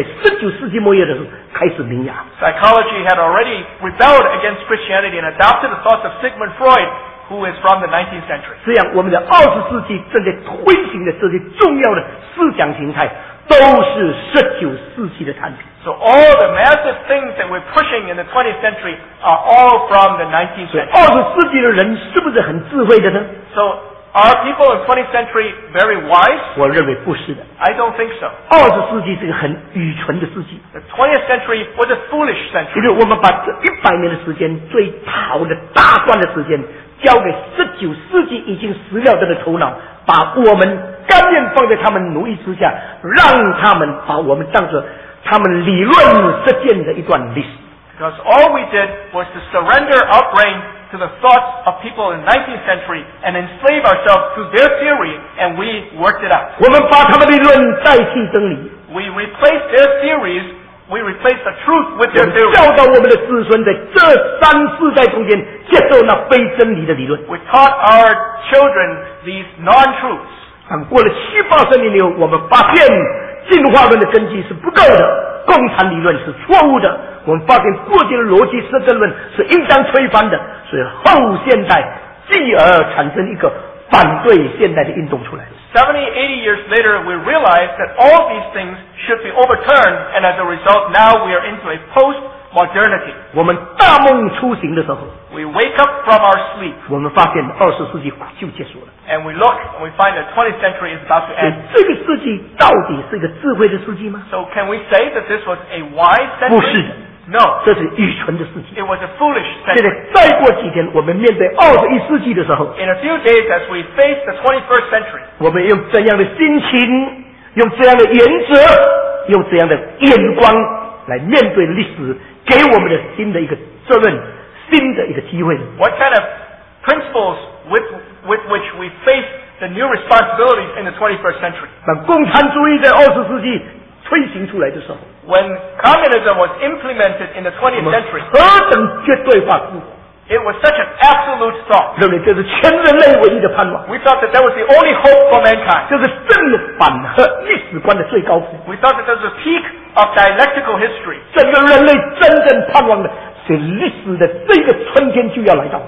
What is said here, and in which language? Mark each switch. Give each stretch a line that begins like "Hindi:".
Chinese: 我们的心理学已经走了一个反对神的地步，承受了这个从起初在Sigmund Freud的思想里面，这个思想在19世纪末叶的时候开始萌芽。
English: Psychology had already rebelled against Christianity and adopted the thoughts of Sigmund Freud, who is from the 19th century.
Chinese: 这样我们的20世纪正在推行的这些重要的思想形态都是19世纪的产品。
English: So all the massive things that we're pushing in the 20th century are all from the 19th century.
Chinese: 20世纪的人是不是很智慧的呢？
English: So are people in the 20th century very wise?
Chinese: 我认为不是的。
English: I don't think so.
Chinese: 20世纪是个很愚蠢的世纪。
English: The 20th century was a foolish century.
Chinese: 因为我们把这100年的时间最好的大段的时间 交给19世纪已经死掉的头脑，把我们甘愿放在他们奴役之下，让他们把我们当作他们理论实践的一段历史。
English: Because all we did was to surrender our brain to the thoughts of people in 19th century and enslave ourselves to their theory, and we worked it out.
Chinese: 我们把他们的理论代替真理。
English: We replaced their theories. We replace the truth with their theory.
Chinese: 我们教导我们的子孙在这三世代中间接受那非真理的理论。
English: We taught our children these non-truths.
Chinese: 过了七八十年以后，我们发现进化论的根基是不够的，共产理论是错误的。我们发现过去的逻辑实证论是应当推翻的，所以后现代继而产生一个反对现代的运动出来。
English: 70, 80 years later, we realize that all these things should be overturned, and as a result, now we are into a post-modernity.
Chinese: 我们大梦初醒的时候
English: ，we wake up from our sleep.
Chinese: 我们发现二十世纪就结束了。
English: And we look and we find that 20th century is about to end.
Chinese: 这个世纪到底是一个智慧的世纪吗
English: ？So can we say that this was a wise century?
Chinese: 不是的。
English: No,
Chinese: 这是愚蠢的事情。
English: It was a foolish thing.
Chinese: 现在再过几天，我们面对二十一世纪的时候
English: ，In a few days as we face the 21st century,
Chinese: 我们用怎样的心情，用怎样的原则，用怎样的眼光来面对历史，给我们的新的一个责任，新的一个机会。
English: What kind of principles with which we face the new responsibilities in the 21st century?
Chinese: 当共产主义在二十世纪推行出来的时候。
English: When communism was implemented in the 20th century,
Chinese: 何等绝对化自我
English: it was such an absolute thought.
Chinese: 对不对？这是全人类唯一的盼望。
English: We thought that that was the only hope for mankind.
Chinese: 这是正反和历史观的最高峰。
English: We thought that that was the peak of dialectical history.
Chinese: 整个人类真正盼望的是历史的这个春天就要来到。